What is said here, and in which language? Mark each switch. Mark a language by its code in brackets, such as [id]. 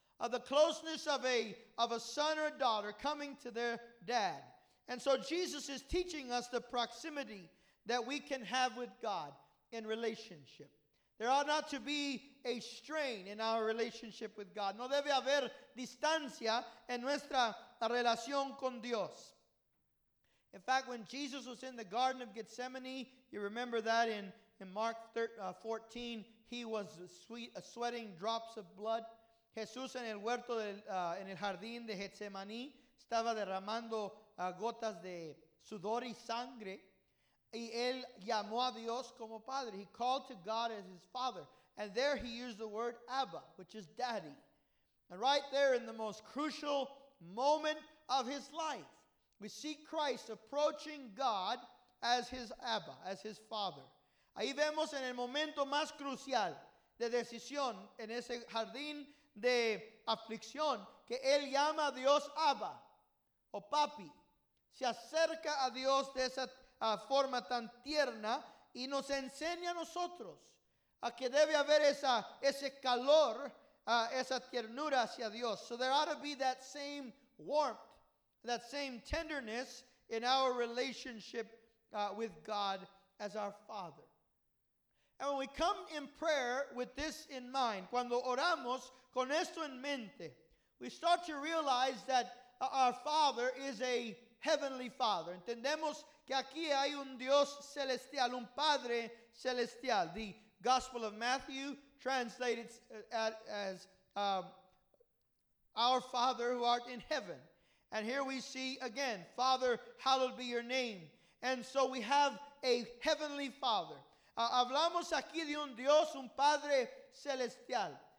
[en] The closeness of a son or a daughter coming to their dad. And so Jesus is teaching us the proximity that we can have with God in relationship. There ought not to be a strain in our relationship with God. [es] No debe haber distancia en nuestra relación con Dios. [en] In fact, when Jesus was in the Garden of Gethsemane, you remember that in Mark 14, he was sweating drops of blood. [es] Jesús en el huerto, en el jardín de Getsemaní, estaba derramando gotas de sudor y sangre. Y él llamó a Dios como padre. [en] He called to God as his father. And there he used the word Abba, which is daddy. And right there in the most crucial moment of his life, we see Christ approaching God as his Abba, as his father. [es] Ahí vemos en el momento más crucial de decisión, en ese jardín de aflicción, que él llama a Dios Abba, o papi. Se acerca a Dios de esa forma tan tierna y nos enseña a nosotros a que debe haber ese calor, esa ternura hacia Dios. [en] So there ought to be that same warmth, that same tenderness in our relationship with God as our Father. And when we come in prayer with this in mind, [es] cuando oramos con esto en mente, [en] we start to realize that our Father is a Heavenly Father. [es] Entendemos que aquí hay un Dios celestial, un Padre celestial. [en] The Gospel of Matthew translated as our Father who art in heaven. And here we see again, Father, hallowed be your name. And so we have a Heavenly Father. [es] Hablamos aquí de un Dios, un Padre celestial.